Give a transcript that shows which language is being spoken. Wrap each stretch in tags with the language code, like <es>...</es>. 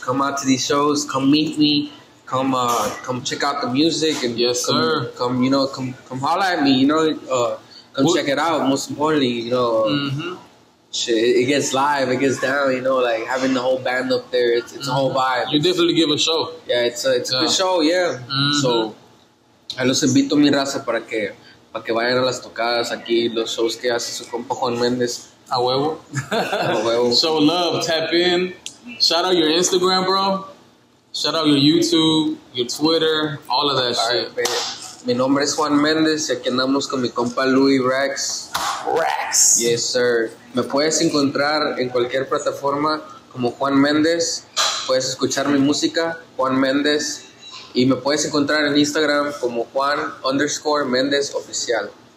<en>Come out to these shows. Come meet me. Come come check out the music. And yes, sir. Come, you know, come holla at me. You know, come check it out. Most importantly, you know, shit, it gets live. It gets down. You know, like having the whole band up there. It's a whole vibe. You definitely give a show. Yeah, it's a good show. Yeah. Mm-hmm.</en> <es>So, I los invito a mi raza para que vayan a las tocadas aquí los shows que hace su compa Juan Mendez. A huevo. A huevo.</es> <en>Show love. Tap in. Shout out your Instagram, bro. Shout out your YouTube, your Twitter, all of that all shit. Right,</en> <es>mi nombre es Juan Mendez y aquí andamos con mi compa Luie Rackz. Rackz.</es> <en>Yes, sir.</en> <es>Me puedes encontrar en cualquier plataforma como Juan Mendez. Puedes escuchar mi música, Juan Mendez. Y me puedes encontrar en Instagram como Juan_Mendez_Oficial.</es>